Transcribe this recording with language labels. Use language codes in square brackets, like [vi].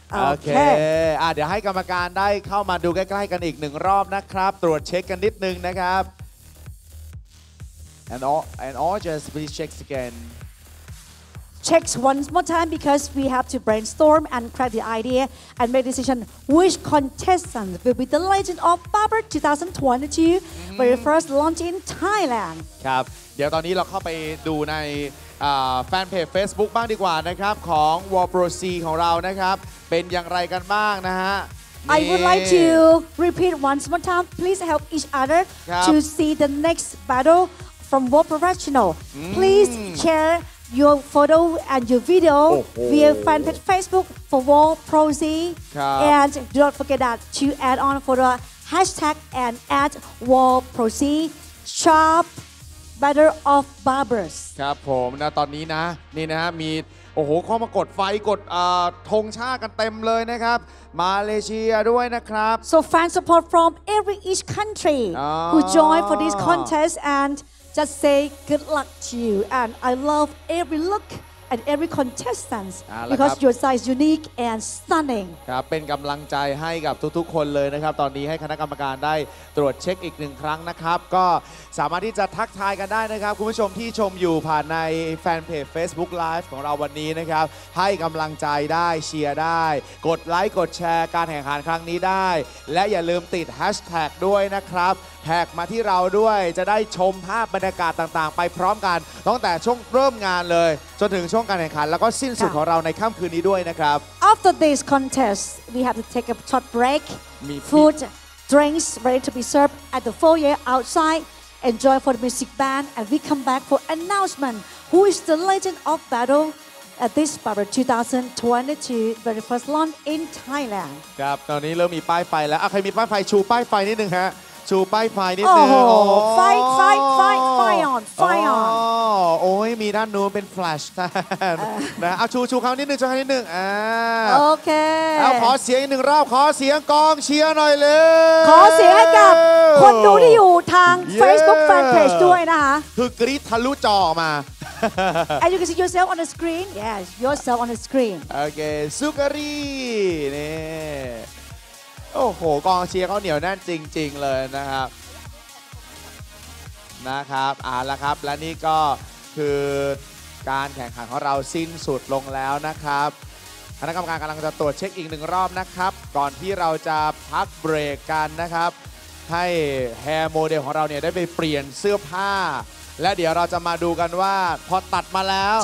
[th] Okay. เดี๋ยวให้กรรมการได้เข้ามาดูใกล้ๆกันอีกหนึ่งรอบนะครับตรวจเช็คกันนิดนึงนะครับ [en] And all just please check again. Check one more time because we have to brainstorm and craft the idea and make decision which contestant will be the legend of Barber 2022 when we first launch in Thailand. [th] ครับเดี๋ยวตอนนี้เราเข้าไปดูในแฟนเพจ Facebook บ้างดีกว่านะครับของ WarProC ของเรานะครับเป็นอย่างไรกันบ้างนะฮะ [en] I would like to repeat one more time please help each other to see the next battle from War Professional please share your photo and your video via fan page Facebook for WarProC and do not forget that to add on for the hashtag and add WarProC shopBatter of Barbers [th] ครับผมนะตอนนี้นะนี่นะฮะมีโอ้โหเข้ามากดไฟกดธงชาติกันเต็มเลยนะครับมาเลเซียด้วยนะครับ [en] So fan support from every each country who join for this contest and just say good luck to you and I love every look and every contestants because your size unique and stunning [th] ครับเป็นกำลังใจให้กับทุกๆคนเลยนะครับตอนนี้ให้คณะกรรมการได้ตรวจเช็คอีกหนึ่งครั้งนะครับก็สามารถที่จะทักทายกันได้นะครับคุณผู้ชมที่ชมอยู่ผ่านในแฟนเพจ Facebook Live ของเราวันนี้นะครับให้กำลังใจได้เชียร์ได้กดไลค์กดแชร์การแข่งขันครั้งนี้ได้และอย่าลืมติดแฮชแท็กด้วยนะครับแท็กมาที่เราด้วยจะได้ชมภาพบรรยากาศต่างๆไปพร้อมกันตั้งแต่ช่วงเริ่มงานเลยจนถึงช่วงการแข่งขันแล้วก็สิ้นสุดของเราในค่ำคืนนี้ด้วยนะครับ [en] After this contest we have to take a short break food drinks ready to be served at the foyer outside enjoy for the music band, and we come back for announcement. Who is the legend of battle at this Barber 2022 very first launch in Thailand? [th] ครับตอนนี้เริ่มมีป้ายไฟแล้วใครมีป้ายไฟชูป้ายไฟนิดนึงฮะชูป้ายไฟนิดนึง โอ้โหไฟไฟไฟไฟ on ไฟ on โอ้ยมีด้านนู้นเป็นแฟลชนะเอาชูชูเขานิดนึงชูให้นิดนึง โอเค เอาขอเสียงอีกหนึ่งรอบขอเสียงกองเชียร์หน่อยเลย ขอเสียงให้กับคนดูที่อยู่ทาง Facebook Fanpage ด้วยนะคะ คือกรี๊ดทะลุจอมา [en] And you can see yourself on the screen yes yourself on the screen [th] โอเคสุการีนี่โอ้โหกองเชียร์เขาเหนียวแน่นจริงๆเลยนะครับนะครับแล้วครับและนี่ก็คือการแข่งขันของเราสิ้นสุดลงแล้วนะครับคณะกรรมการกำลังจะตรวจเช็คอีกหนึ่งรอบนะครับก่อนที่เราจะพักเบรกกันนะครับให้แฮร์โมเดลของเราเนี่ยได้ไปเปลี่ยนเสื้อผ้าและเดี๋ยวเราจะมาดูกันว่าพอตัดมาแล้ว